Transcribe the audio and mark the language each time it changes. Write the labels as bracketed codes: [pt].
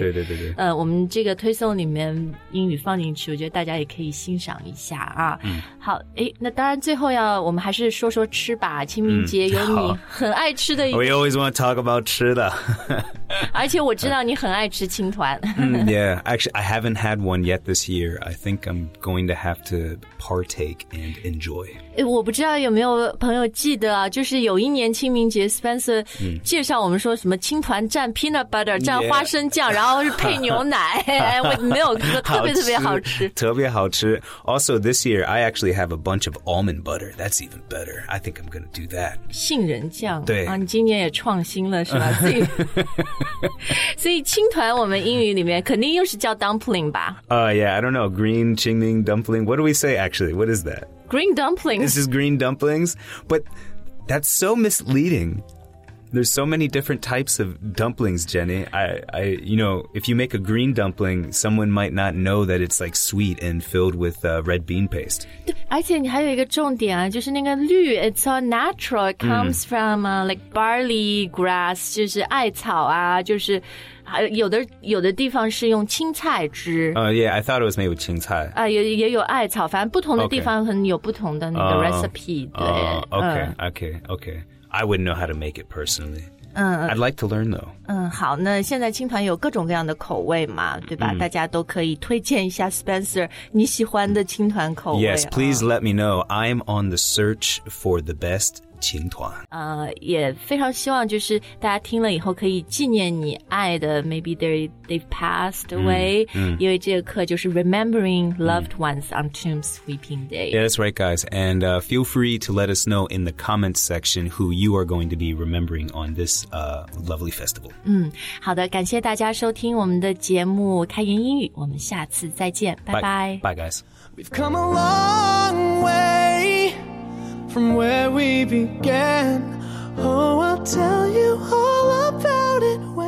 [zh] 对对对对我们这个推送里面英语放进去我觉得大家也可以欣赏一下啊。好哎，那当然最后要我们还是说说吃吧清明节有你很爱吃的 [en] We always want to talk about [zh] 吃的而且我知道你很爱吃青团 [en] Yeah, actually I haven't had one yet this year I think I'm going to have to partake and enjoy [zh] 我不知道有没有朋友记得啊就是有一年清明节 Spencer 介绍我们说什么青团蘸 peanut butter 蘸花生酱、 [en] yeah. [zh] 然后是配牛奶我没有特别特别好吃特别好吃 [en] Also this year I actually have a bunch of almond butter That's even better I think I'm going to do that [zh] 杏仁酱对、啊、你今年也创新了是吧自己所以青团我们英语里面肯定又是叫 dumpling 吧 [en] Yeah, I don't know, green, 青柠 dumpling What do we say actually, what is that? Green dumplings This is green dumplings But that's so misleading There's so many different types of dumplings, Jenny I, you know, if you make a green dumpling Someone might not know that it's like sweet and filled with red bean paste [zh] 而且你还有一个重点啊就是那个绿 [en] It's all natural, it comes from like barley grass [zh] 就是艾草啊就是有的地方是用青菜汁 [en] Yeah, I thought it was made with 青菜、 [zh] 也有艾草反正不同的地方很有不同的那个 recipe、 [en] okay. [zh] 对 [en] Okay I wouldn't know how to make it personally. I'd like to learn though. [zh] 好，那现在青团有各种各样的口味嘛，对吧？大家都可以推荐一下 Spencer 你喜欢的青团口味。 [en] Yes, please let me know. I'm on the search for the best 青团。 [zh] 也非常希望就是大家听了以后可以纪念你爱的 ， [en] maybe they passed away. [zh] 因为这个课就是 [en] remembering loved ones on Tomb Sweeping Day. Yeah, that's right, guys. And feel free to let us know in the comments section who you are going to be remembering on this lovely festival. [zh] 好的，感谢大家收听我们的节目《开言英语》，我们下次再见，拜拜。 [en] Bye, guys. We've come a long way from where we began. Oh, I'll tell you all about it.